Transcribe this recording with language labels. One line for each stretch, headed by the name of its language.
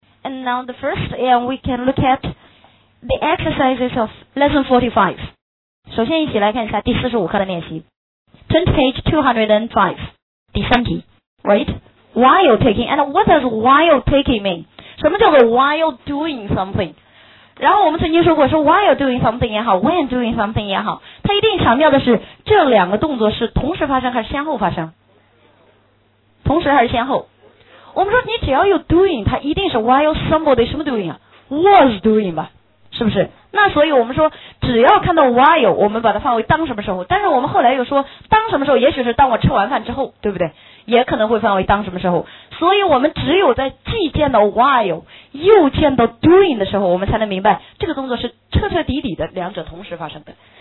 English: And now the first, we can look at the exercises of lesson 45.
Chinese: 首先一起来看一下第45课的练习。
English: Turn to page 205,
Chinese: 第三题。
English: Right? While taking, and what does while taking mean?
Chinese: 什么叫做
English: while doing something?
Chinese: 然后我们曾经说过说
English: while doing something
Chinese: 也好
English: when doing something
Chinese: 也好它一定强调的是这两个动作是同时发生还是先后发生同时还是先后我们说你只要有 doing 它一定是 while somebody 什么 doing 啊 was doing 吧是不是那所以我们说只要看到 while 我们把它放为当什么时候但是我们后来又说当什么时候也许是当我吃完饭之后对不对也可能会放为当什么时候所以我们只有在既见到 while 又见到 doing 的时候我们才能明白这个动作是彻彻底底的两者同时发生的